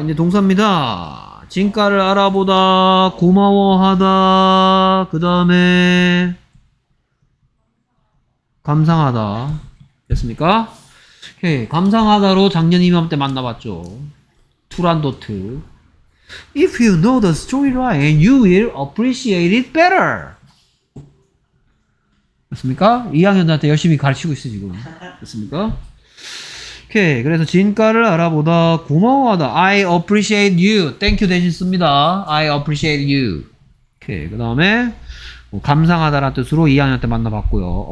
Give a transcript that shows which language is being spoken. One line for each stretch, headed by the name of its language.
Korean: 이제 동사입니다. 진가를 알아보다, 고마워하다, 그 다음에 감상하다. 됐습니까? 오케이. 감상하다로 작년 이맘때 만나봤죠. 투란도트.
English: If you know the storyline, you will appreciate it better.
Korean: 됐습니까? 2학년들한테 열심히 가르치고 있어 지금. 됐습니까? 오케이. 그래서 진가를 알아보다 고마워하다.
English: I appreciate you. Thank you
Korean: 대신 씁니다.
English: I appreciate you. 오케이.
Korean: 그 다음에 뭐 감상하다라는 뜻으로 2학년 때 만나봤고요.